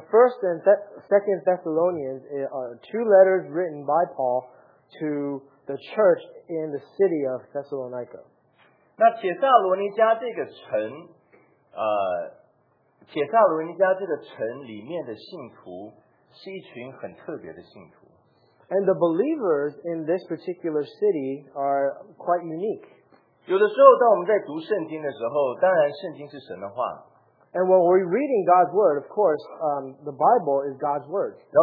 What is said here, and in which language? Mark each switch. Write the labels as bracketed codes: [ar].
[en] 1st and 2nd Thessalonians are two letters written by Paul to the church in the city of Thessalonica. [zh] 那帖撒罗尼迦这个城里面的信徒是一群很特别的信徒。 [en] And the believers in this particular city are quite unique. [zh] 有的时候当我们在读圣经的时候,当然圣经是神的话。 [en] And when we're reading God's word, of course, the Bible is God's word.